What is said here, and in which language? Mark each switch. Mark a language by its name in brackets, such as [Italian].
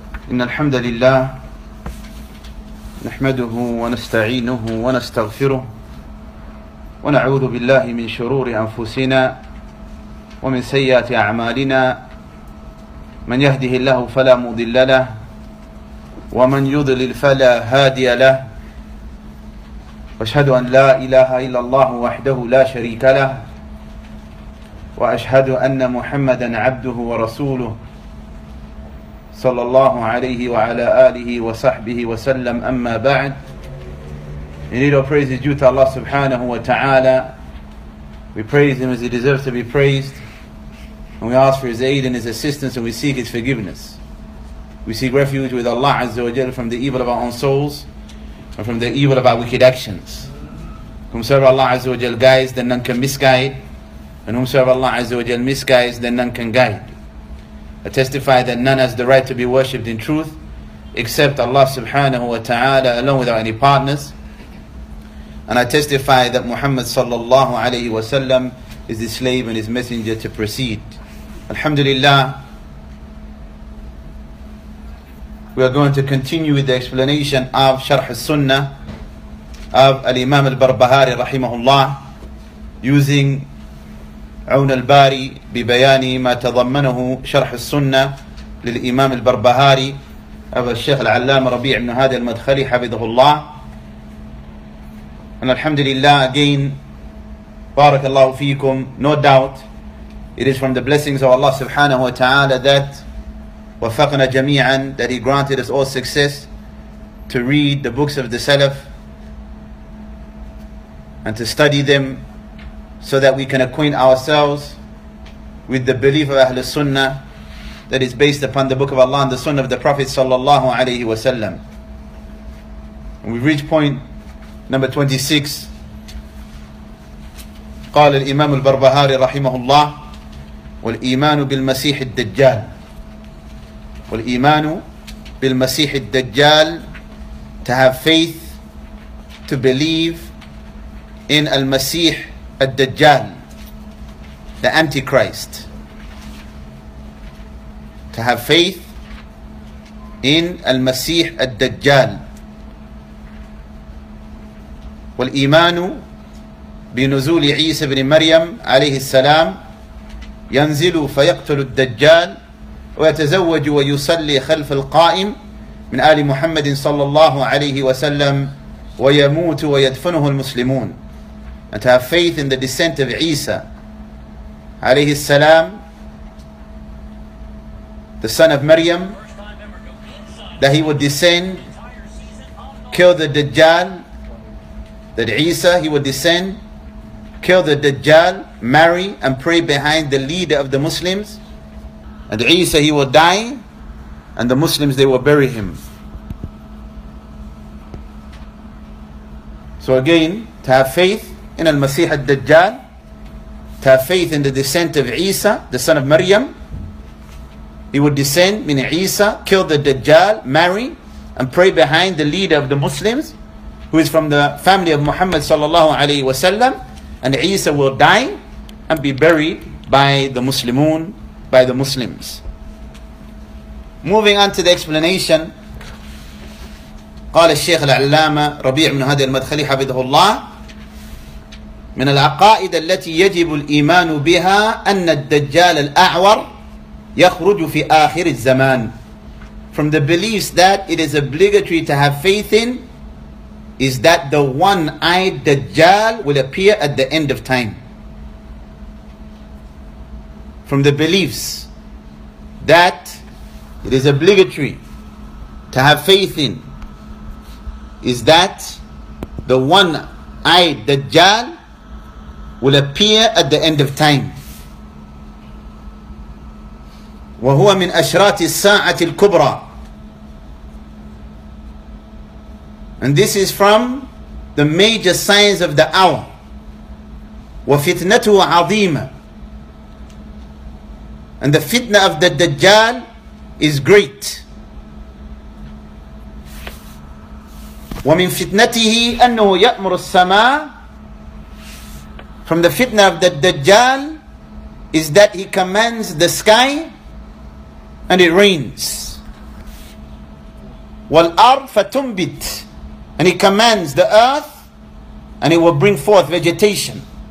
[Arabic] إن الحمد لله نحمده ونستعينه ونستغفره ونعوذ بالله من شرور أنفسنا ومن سيئات أعمالنا، من يهده الله فلا مضل له ومن يضلل فلا هادي له، وأشهد أن لا إله إلا الله وحده لا شريك له، وأشهد أن محمدا عبده ورسوله صلى الله عليه وعلى آله وصحبه وسلم. أما بعد، [English] in need of praise is due to Allah subhanahu wa ta'ala. We praise Him as He deserves to be praised, and we ask for His aid and His assistance, and we seek His forgiveness. We seek refuge with Allah Azza wa Jalla from the evil of our own souls and from the evil of our wicked actions. Whomsoever Allah Azza wa Jalla guides, then none can misguide, and whomsoever Allah Azza wa Jalla misguides, then none can guide. I testify that none has the right to be worshipped in truth except Allah subhanahu wa ta'ala alone without any partners. And I testify that Muhammad sallallahu alayhi wa sallam is his slave and his messenger to proceed. Alhamdulillah, we are going to continue with the explanation of Sharh al-Sunnah of Al-Imam al-Barbahari rahimahullah, using [Arabic] عون الباري ببيان ما تضمنه شرح السنة للإمام البربهاري أبا الشيخ العلامة ربيع بن هادي المدخلي حفظه الله. [English] And alhamdulillah, again, [Arabic] بارك الله فيكم. [English] No doubt, it is from the blessings of Allah subhanahu wa ta'ala that [Arabic] وفقنا جميعا, [English] that He granted us all success to read the books of the Salaf and to study them, so that we can acquaint ourselves with the belief of Ahlul Sunnah that is based upon the Book of Allah and the Sunnah of the Prophet sallallahu alayhi wa sallam. And we reach point number 26. [Arabic] قال الإمام البربهاري رحمه الله والإيمان بالمسيح الدجال والإيمان بالمسيح الدجال, [English] to have faith, to believe in [Arabic] المسيح الدجال, [English] the Antichrist. To have faith in المسيح الدجال. [Arabic] والإيمان بنزول عيسى بن مريم عليه السلام ينزل فيقتل الدجال ويتزوج ويصلي خلف القائم من آل محمد صلى الله عليه وسلم ويموت ويدفنه المسلمون. [English] And to have faith in the descent of Isa alayhi salam, the son of Maryam, that he would descend, kill the Dajjal, that Isa, he would descend, kill the Dajjal, marry and pray behind the leader of the Muslims, and Isa, he would die, and the Muslims, they will bury him. So again, to have faith in al-Masih al-Dajjal, to have faith in the descent of Isa, the son of Maryam. He would descend, meaning Isa, kill the Dajjal, marry, and pray behind the leader of the Muslims, who is from the family of Muhammad sallallahu alayhi wa sallam, and Isa will die and be buried by the Muslimun, by the Muslims. Moving on to the explanation, [Arabic] قال الشيخ العلامة ربيع بن هادي المدخلي حفظه الله, من العقائد التي يجب الإيمان بها أن الدجال الأعور يخرج في آخر الزمان. [English] From the beliefs that it is obligatory to have faith in is that the one-eyed Dajjal will appear at the end of time. From the beliefs that it is obligatory to have faith in is that the one-eyed Dajjal will appear at the end of time. [Arabic] وهو من أشراط الساعة الكبرى. [English] And this is from the major signs of the hour. [Arabic] وفتنته عظيمة. [English] And the fitna of the Dajjal is great. [Arabic] ومن فتنته أنه يأمر السماء. [English] From the fitna of the Dajjal is that he commands the sky and it rains. [Arabic] والأرض فتنبت. [English] And he commands the earth and it will bring forth vegetation.